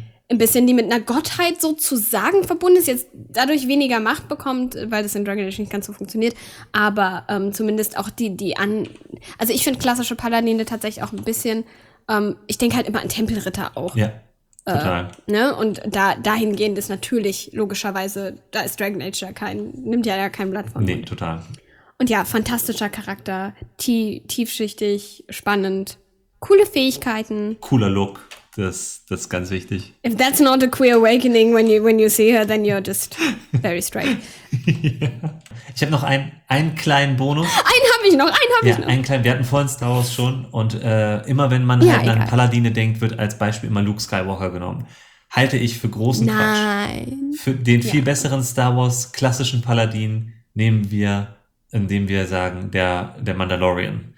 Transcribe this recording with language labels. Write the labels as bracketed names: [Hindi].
[German] ein bisschen die mit einer Gottheit sozusagen verbunden ist, jetzt dadurch weniger Macht bekommt, weil das in Dragon Age nicht ganz so funktioniert, aber zumindest auch die an, also ich finde klassische Paladine tatsächlich auch ein bisschen, ich denke halt immer an Tempelritter auch. Ja, total. Ne? Und dahingehend ist natürlich logischerweise, da ist Dragon Age ja kein, nimmt ja kein Blatt vom Mund. Nee, total. Und ja, fantastischer Charakter, tiefschichtig, spannend, coole Fähigkeiten. Cooler Look. Das ist ganz wichtig. [English] If that's not a queer awakening when you see her, then you're just very straight. Yeah. [German] Ich habe noch einen kleinen Bonus. Einen habe ich noch. Einen kleinen. Wir hatten vorhin Star Wars schon und immer wenn man halt an Paladine denkt, wird als Beispiel immer Luke Skywalker genommen. Halte ich für großen Quatsch. Nein. Für den viel besseren Star Wars klassischen Paladin nehmen wir, indem wir sagen, der Mandalorian.